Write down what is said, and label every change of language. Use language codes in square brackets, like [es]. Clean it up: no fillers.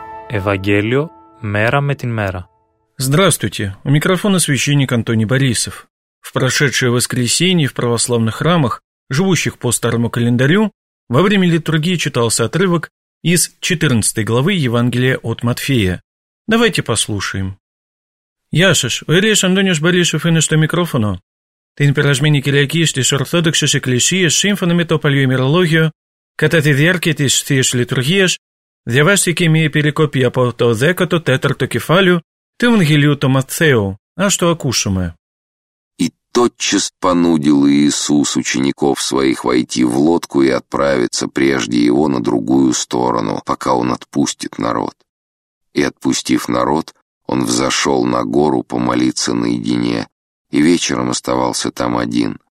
[ru] Евангелие мера [el] με την [ru] мера. Здравствуйте, у микрофона священник Антоний Борисов. В прошедшее воскресенье в православных храмах, живущих по старому календарю, во время литургии читался отрывок из 14 главы Евангелия от Матфея. Давайте послушаем. [el] Γεια σας, ο Ιερέας Αντώνιος Μπαρίσοφ είναι στο μικρόφωνο. Την περασμένη Κυριακή στις Ορθόδοξες Εκκλησίες, σύμφωνα με το παλιό ημερολόγιο, κατά τη διάρκεια της Θείας Λειτουργίας, διαβάστηκε μια περικοπή από το 14ο κεφάλαιο του Ευαγγελίου του Ματθαίου. Ας το ακούσουμε. [ru] «И тотчас понудил Иисус учеников своих войти в лодку и отправиться прежде его на другую сторону, пока он отпустит народ. И отпустив народ, он взошел на гору помолиться наедине, и вечером оставался там один.